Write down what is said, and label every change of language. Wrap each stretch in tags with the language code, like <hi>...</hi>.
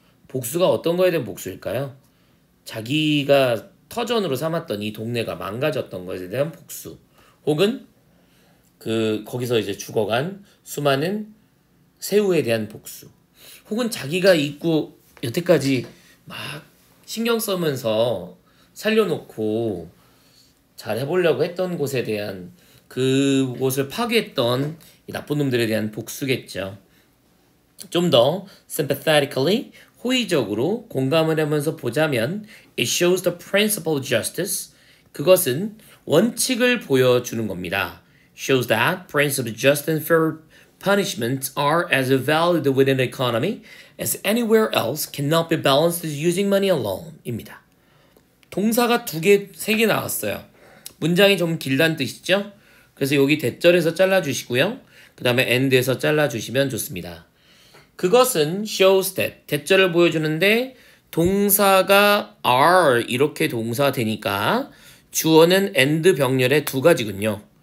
<ko>복수가 어떤 거에 대한 복수일까요? 자기가 터전으로 삼았던 이 동네가 망가졌던 것에 대한 복수 혹은 그 거기서 이제 죽어간 수많은 새우에 대한 복수 혹은 자기가 입고 여태까지 막 신경 써면서 살려놓고 잘 해보려고 했던 곳에 대한 그곳을 파괴했던 이 나쁜 놈들에 대한 복수겠죠. 좀 더</ko> <en>sympathetically</en> <ko>호의적으로 공감을 하면서 보자면</ko> <en>It shows the principle of justice.</en> <ko>그것은 원칙을 보여주는 겁니다.</ko> <en>Shows that principles of justice and fair punishment are as valid within the economy as anywhere else cannot be balanced using money alone.</en> <ko>입니다. 동사가 두 개, 세 개 나왔어요. 문장이 좀 길다는 뜻이죠? 그래서 여기 대절에서 잘라주시고요. 그 다음에 end에서 잘라주시면 좋습니다. 그것은 shows that 대절을 보여주는데 동사가 are 이렇게 동사가 되니까 주어는 and 병렬의 두 가지군요.</ko>